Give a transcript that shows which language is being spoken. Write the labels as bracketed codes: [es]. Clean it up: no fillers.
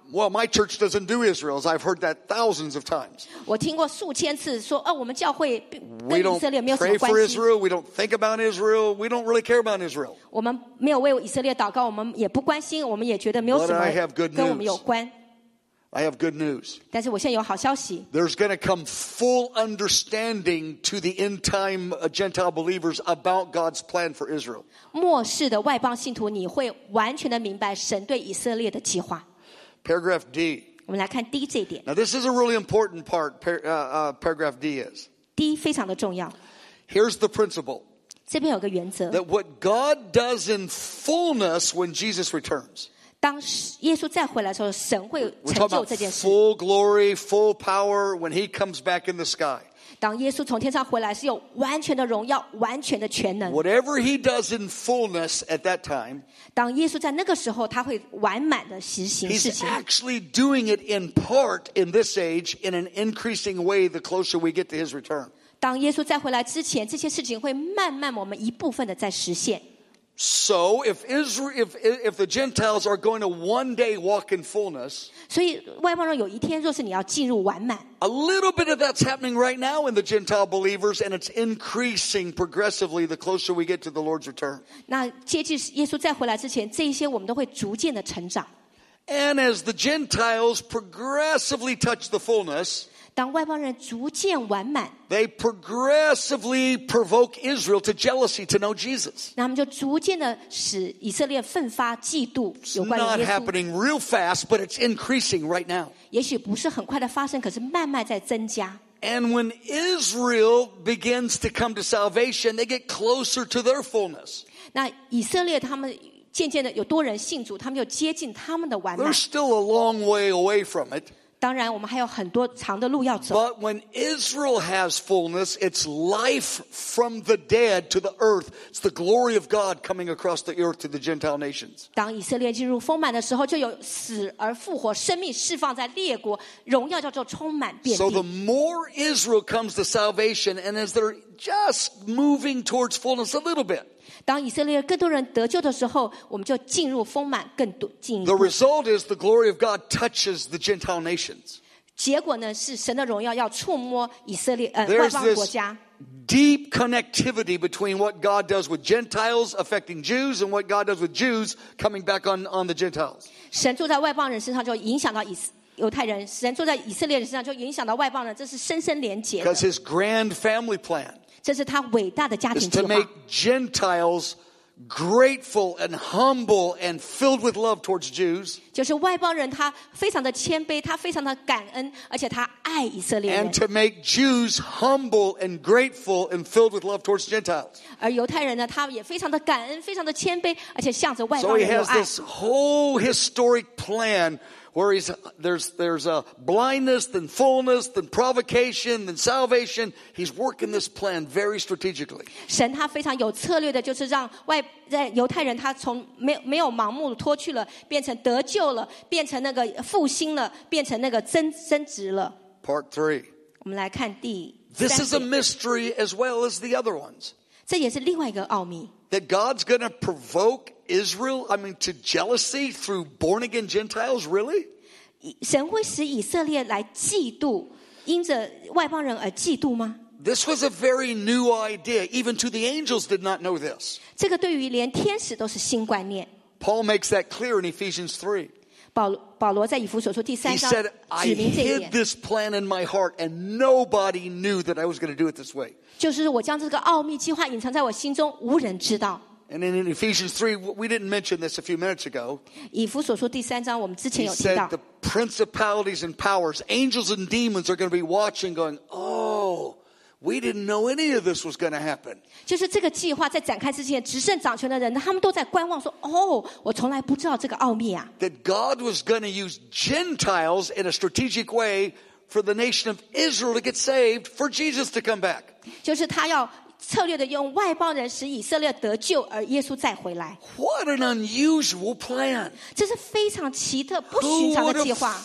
[en] Well, my church doesn't do Israel, as I've heard that thousands of times. [zh] 我听过数千次说，哦，我们教会跟以色列没有什么关系。 [en] We don't pray for Israel. We don't think about Israel. We don't really care about Israel. [zh] 我们没有为以色列祷告，我们也不关心，我们也觉得没有什么跟我们有关。 [en] I have good news. [zh] 但是我现在有好消息。 [en] There's going to come full understanding to the end time Gentile believers about God's plan for Israel. [zh] 末世的外邦信徒，你会完全的明白神对以色列的计划。 [en] Paragraph D. [zh] 我们来看 D 这一点。 [en] Now this is a really important part. Paragraph D is. [zh] D 非常的重要。 [en] Here's the principle. [zh] 这边有个原则。 [en] That what God does in fullness when Jesus returns. [zh] 当耶稣再回来的时候，神会成就这件事。 [en] We're talking about full glory, full power when He comes back in the sky. [zh] 当耶稣从天上回来是有完全的荣耀，完全的全能。 [en] Whatever He does in fullness at that time, [zh] 当耶稣在那个时候，他会完满的实行事情。 [en] He's actually doing it in part in this age in an increasing way the closer we get to His return. [zh] 当耶稣再回来之前，这些事情会慢慢我们一部分的在实现。 [en] So if Israel, if the Gentiles are going to one day walk in fullness, [zh] 所以外邦人有一天若是你要进入完满 [en] a little bit of that's happening right now in the Gentile believers, and it's increasing progressively the closer we get to the Lord's return. [zh] 那接近耶稣再回来之前，这些我们都会逐渐的成长 [en] And as the Gentiles progressively touch the fullness. [zh] 当外邦人逐渐完满 [en] they progressively provoke Israel to jealousy to know Jesus. [zh] 那他们就逐渐的使以色列奋发嫉妒有关耶稣 [en] It's not happening real fast, but it's increasing right now. [zh] 也许不是很快的发生，可是慢慢在增加 [en] And when Israel begins to come to salvation, they get closer to their fullness. [zh] 那以色列他们渐渐的有多人信主，他们就接近他们的完满 [en] They're still a long way away from it. [zh] 当然我们还有很多长的路要走。 [en] But when Israel has fullness, it's life from the dead to the earth. It's the glory of God coming across the earth to the Gentile nations. [zh] 当以色列进入丰满的时候，就有死而复活，生命释放在列国，荣耀叫做充满遍地。 [en] So the more Israel comes to salvation, and as they're just moving towards fullness a little bit, [zh] 当以色列更多人得救的时候，我们就进入丰满更多进一步。 [en] The result is the glory of God touches the Gentile nations. [zh] 结果呢是神的荣耀要触摸以色列 [en] There's [zh] 外邦国家。 [en] Deep connectivity between what God does with Gentiles affecting Jews and what God does with Jews coming back on the Gentiles. [zh] 神住在外邦人身上就影响到以色列。犹太人神坐在以色列人身上就影响到外邦人这是深深连结的 [en] Because his grand family plan [zh] 这是他伟大的家庭计划 [en] is to make Gentiles grateful and humble and filled with love towards Jews [zh] 就是外邦人他非常的谦卑他非常的感恩而且他爱以色列人 [en] and to make Jews humble and grateful and filled with love towards Gentiles [zh] 而犹太人呢他也非常的感恩非常的谦卑而且向着外邦人有爱 [en] so he has this whole historic planWhere he's, there's a blindness, then fullness, then provocation, then salvation. He's working this plan very strategically. [zh] 神他非常有策略的，就是让外在犹太人他从没有盲目脱去了，变成得救了，变成那个复兴了，变成那个增值了。 [en] Part three. [zh] 我们来看第。 [en] This is a mystery as well as the other ones. [zh] 这也是另外一个奥秘。 [en] That God's going to provoke. Israel, I mean, to jealousy through born again Gentiles, really? [zh] 神会使以色列来嫉妒，因着外邦人而嫉妒吗？ [en] This was a very new idea. Even to the angels did not know this. [zh] 这个对于连天使都是新观念。 [en] Paul makes that clear in Ephesians 3. [zh] 保罗在以弗所说第三章指明这一点。 [en] He said, I hid this plan in my heart, and nobody knew that I was going to do it this way. [zh] 就是我将这个奥秘计划隐藏在我心中，无人知道。 [en] And in Ephesians 3, we didn't mention this a few minutes ago. [zh] 以弗所说第三章我们之前有提到。 [en] He said the principalities and powers, angels and demons are going to be watching going, oh, we didn't know any of this was going to happen. [zh] 就是这个计划在展开之前执政掌权的人他们都在观望说 oh, 我从来不知道这个奥秘啊。 [en] That God was going to use Gentiles in a strategic way for the nation of Israel to get saved for Jesus to come back. [zh] 就是他要策略的用外邦人使以色列得救而耶稣再回来 [en] What an unusual plan [zh] 这是非常奇特不寻常的计划